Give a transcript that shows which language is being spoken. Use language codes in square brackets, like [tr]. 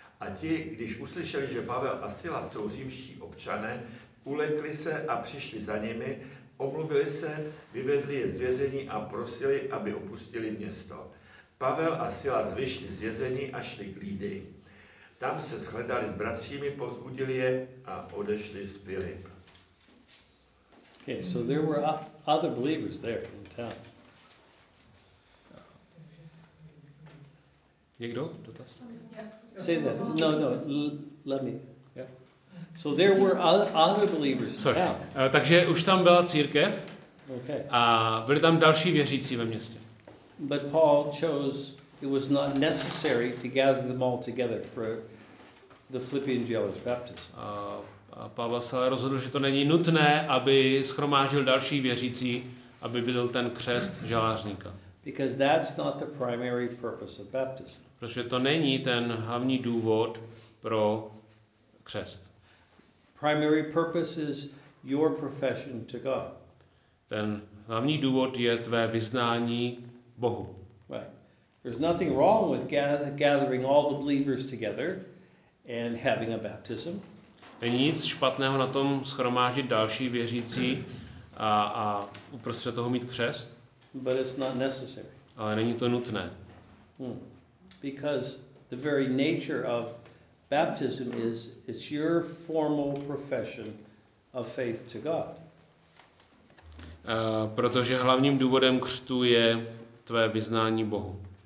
[cs] A ti, když uslyšeli, že Pavel a Sila jsou římští občané, ulekli se a přišli za nimi, omluvili se, vyvedli je z vězení a prosili, aby opustili město. Pavel a Silas vyšli z vězení a šli k Lídy. Tam se shledali s bratřími, povzbudili je a odešli z Filip. [en] Okay, so there were other believers there in town. [cs] Někdo? Dotaz? [en] Say that. No, no, let me. Yeah. So there were other believers. Sorry. [cs] Takže už tam byla církev. [en] Okay. [cs] A byli tam další věřící ve městě. [en] But Paul chose it was not necessary to gather them all together for the Philippian jailer's baptism. [cs] A Pavel se rozhodl, že to není nutné, aby shromáždil další věřící, aby byl ten křest žalářníka. [en] Because that's not the primary purpose of baptism. [cs] Protože to není ten hlavní důvod pro křest. [en] Primary purpose is your profession to God. [cs] Ten hlavní důvod je tvé vyznání Bohu. [en] Right. There's nothing wrong with gathering all the believers together and having a baptism. [cs] Není nic špatného na tom shromáždit další věřící a uprostřed toho mít křest. [en] But it's not necessary. [cs] Ale není to nutné. [en] Because the very nature of baptism is it's your formal profession of faith to God. [cs] Protože hlavním důvodem křtu je tvé vyznání Bohu.